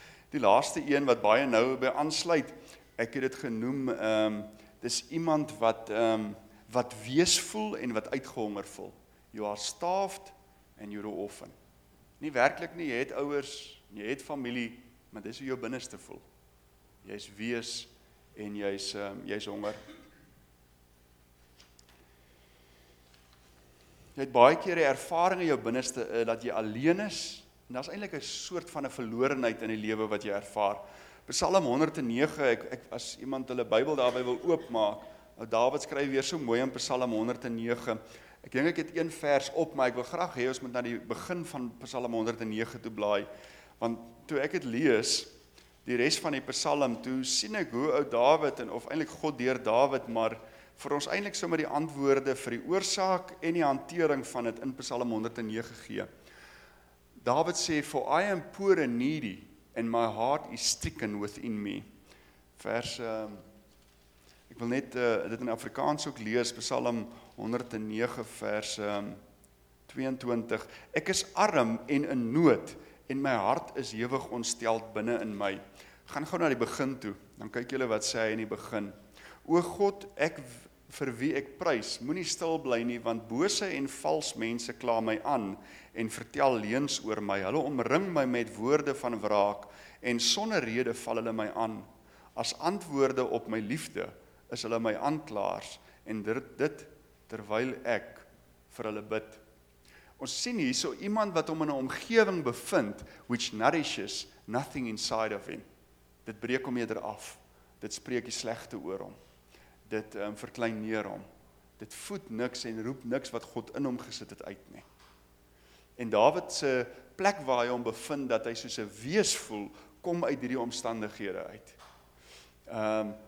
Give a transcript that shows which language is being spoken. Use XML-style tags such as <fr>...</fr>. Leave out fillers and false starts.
<af>Die laaste een wat baie nou by aansluit, ek het dit genoem, dis iemand wat wat weesvol en wat uitgehonger voel.</af> <en>You are starved and you're often.</en> <af>Nie werklik nie, jy het ouers, jy het familie, maar dis hoe jou binneste voel. Jy's wees en jy's honger. Jy het baie keer die ervaring in jou binneste dat jy alleen is. En daar is eintlik 'n soort van 'n verlorenheid in die lewe wat jy ervaar. Psalm 109, ek as iemand hulle Bybel daarby wil oopmaak, nou Dawid skryf weer so mooi in Psalm 109. Ek dink ek het een vers op, maar ek wil graag hê ons moet na die begin van Psalm 109 toe blaai. Want toe ek dit lees, die res van die Psalm, toe sien ek hoe ou Dawid, en of eintlik God deur Dawid, maar vir ons eintlik sommer die antwoorde vir die oorsaak en die hantering van dit in Psalm 109 gee.</af> <en>David sê, for I am poor and needy, and my heart is stricken within me.</en> <af>Vers, ek wil net dit in Afrikaans ook lees, Psalm 109 vers 22. Ek is arm en in nood, en my hart is hewig ontsteld binne in my. Gaan gou na die begin toe, dan kyk julle wat sê hy in die begin. O God, ek vir wie ek prys, moenie stil bly nie, want bose en vals mense kla my aan en vertel leuns oor my. Hulle omring my met woorde van wraak en sonder rede val hulle my aan. As antwoorde op my liefde is hulle my aanklaers en dit terwyl ek vir hulle bid. Ons sien hier so iemand wat hom in 'n omgewing bevind</af> <en>which nourishes nothing inside of him.</en> <af>Dit breek hom eerder af. Dit spreek die slegte oor hom. Dit verklein neer hom. Dit voed niks en roep niks wat God in hom gesit het uit nie. En Dawid se plek waar hy hom bevind dat hy soos 'n wees voel, kom uit hierdie omstandighede uit.</af>